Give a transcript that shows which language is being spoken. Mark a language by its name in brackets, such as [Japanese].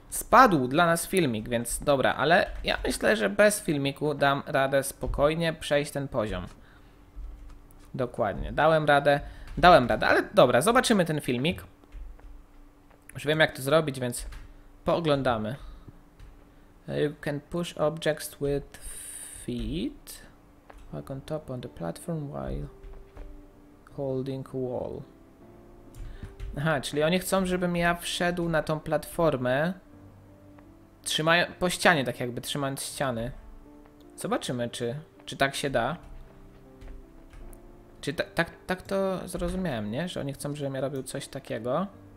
[Polish] Spadł dla nas filmik, więc dobra, ale ja myślę, że bez filmiku dam radę spokojnie przejść ten poziom. Dokładnie, dałem radę, ale dobra, zobaczymy ten filmik. Już wiem, jak to zrobić, więc pooglądamy. [English] You can push objects with feet like on top on the platform while holding wall. [Polish] Aha, czyli oni chcą, żebym ja wszedł na tą platformę po ścianie, tak jakby trzymając ściany. Zobaczymy, czy tak się da. Czy tak to zrozumiałem, nie? Że oni chcą, żebym ja robił coś takiego.